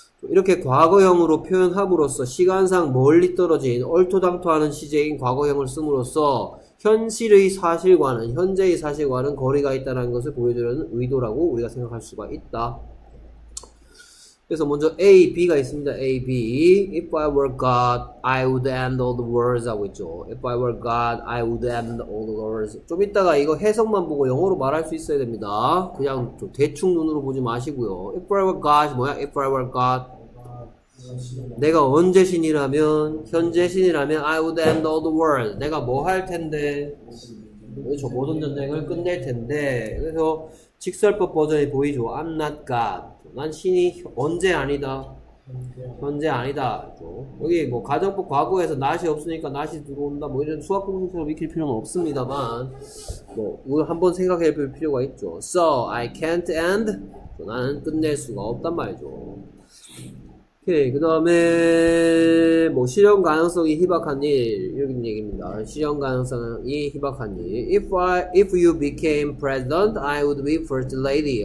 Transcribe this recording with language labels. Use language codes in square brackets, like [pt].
[ko] 이렇게 과거형으로 표현함으로써 시간상 멀리 떨어진 얼토당토하는 시제인 과거형을 씀으로써 현실의 사실과는 현재의 사실과는 거리가 있다는 것을 보여주려는 의도라고 우리가 생각할 수가 있다. 그래서 먼저 A, B가 있습니다. A, B. [en] If I were God, I would end all the wars [ko] 하고 있죠. [en] If I were God, I would end all the wars. [ko] 좀 이따가 이거 해석만 보고 영어로 말할 수 있어야 됩니다. 그냥 좀 대충 눈으로 보지 마시고요. [en] If I were God, [ko] 뭐야? [en] If I were God. [ko] 내가 언제 신이라면, 현재 신이라면, [en] I would end all the world. [ko] 내가 뭐할 텐데, 저 모든 전쟁을 끝낼 텐데. 그래서 직설법 버전이 보이죠. [en] I'm not God. [ko] 난 신이 언제 아니다. 현재 아니다. 여기 뭐 가정법 과거에서 not이 없으니까 not이 들어온다. 뭐 이런 수학 공식처럼 익힐 필요는 없습니다만, 뭐 이걸 한번 생각해 볼 필요가 있죠. [en] So I can't end. [ko] 나는 끝낼 수가 없단 말이죠. 오케이, 그 다음에 뭐 실현 가능성이 희박한 일, 이런 얘기입니다. 실현 가능성이 희박한 일. [en] If you became president, I would be first lady.